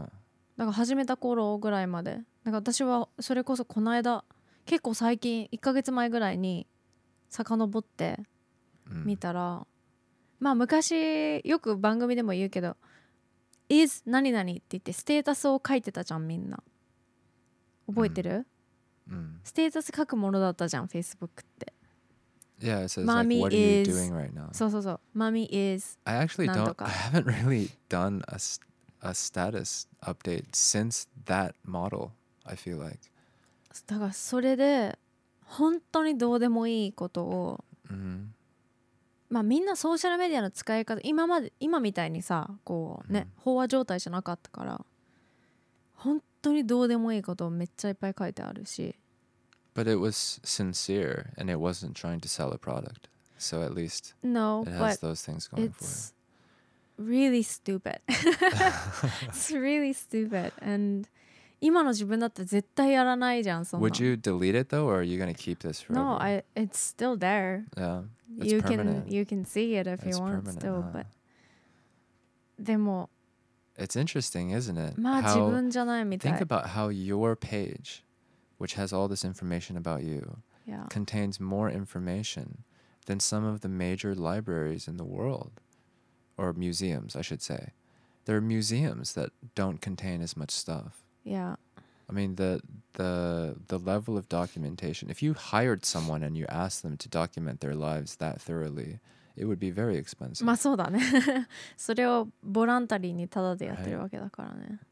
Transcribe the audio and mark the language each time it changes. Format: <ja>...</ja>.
<ja>だから始めた頃ぐらいまで。だから私はそれこそこの間、結構最近、1ヶ月前ぐらいに遡って見たら、うん、まあ昔よく番組でも言うけど is 何々って言ってステータスを書いてたじゃん、みんな覚えてる、うん、ステータス書くものだったじゃん Facebook って。</ja> <en>Yeah, so it's like what are you doing right now?</en> <ja>そうそうそう、</ja> <en>Mommy is I actually don't I haven't really done a status update since that model I feel like</en> <ja>だからそれで本当にどうでもいいことを、 mm-hmm. まあみんなソーシャルメディアの使い方、今まで今みたいにさこうね、mm-hmm. 飽和状態じゃなかったから、本当にどうでもいいことをめっちゃいっぱい書いてあるし。</ja> <en>But it was sincere and it wasn't trying to sell a product. So at least no, it has those things going for it. It's really stupid. It's really stupid and...</en> <ja>今の自分だったら絶対やらないじゃん、そんな。</ja> <en>Would you delete it though, or are you gonna keep this forever? No, it's still there. Yeah, it's permanent. You can see it if you want still, but... でも... It's interesting, isn't it?</en> <ja>まあ自分じゃないみたい。</ja> <en>Think about how your page, which has all this information about you, yeah. contains more information than some of the major libraries in the world, or museums, I should say. There are museums that don't contain as much stuff. Yeah, I mean the level of documentation. If you hired someone and you asked them to document their lives that thoroughly, it would be very expensive.</en> <ja>まあそうだね。それをボランタリーにただでやってるわけだからね。</ja>